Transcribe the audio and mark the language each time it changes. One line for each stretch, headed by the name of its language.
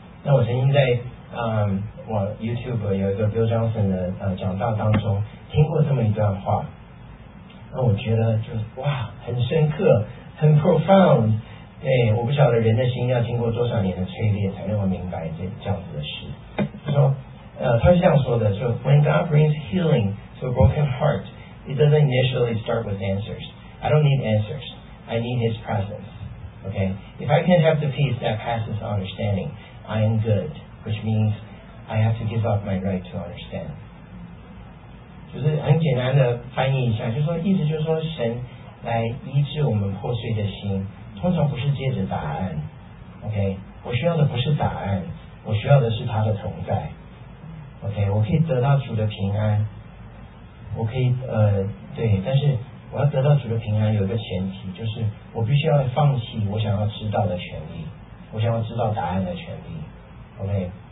Chinese: 那我曾经在我 YouTube 有一个 Bill Johnson 的讲道当中听过这么一段话。那我觉得就哇，很深刻，很 profound。对，我不晓得人的心要经过多少年的淬炼才能够明白这样子的事。他说，他是这样说的：说
English: When God brings healing to a broken heart, it doesn't initially start with answers. I don't need answers. I need His presence. Okay, if I can have the peace that passes understanding, I am good. Which means I have to give up my right to understand.
Chinese: 就是很简单的翻译一下，就是说，意思就是说，神来医治我们破碎的心，通常不是借着答案 ，OK？我需要的不是答案，我需要的是他的同在 ，OK？我可以得到主的平安，我可以对，但是我要得到主的平安，有一个前提，就是我必须要放弃我想要知道的权利，我想要知道答案的权利 ，OK？